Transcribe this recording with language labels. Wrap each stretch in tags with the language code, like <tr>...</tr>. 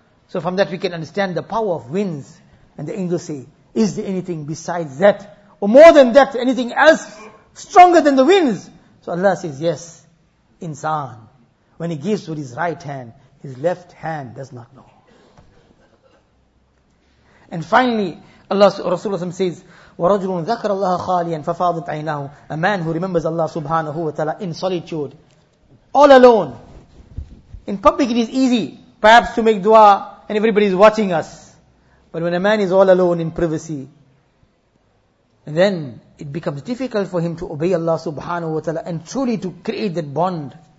<en>So from that we can understand the power of winds. And the angels say, is there anything besides that? Or more than that, anything else stronger than the winds? So Allah says, yes, insan, when he gives with his right hand, his left hand does not know. And finally, Rasulullah says,</en> <ar>وَرَجُلٌ ذَكَرَ اللَّهَ خَالِيًا فَفَاضَتْ عَيْنَاهُ.</ar> <en>A man who remembers Allah subhanahu wa ta'ala in solitude, all alone. In public it is easy, perhaps, to make dua, and everybody is watching us. But when a man is all alone in privacy, and then it becomes difficult for him to obey Allah subhanahu wa ta'ala and truly to create that bond.</en>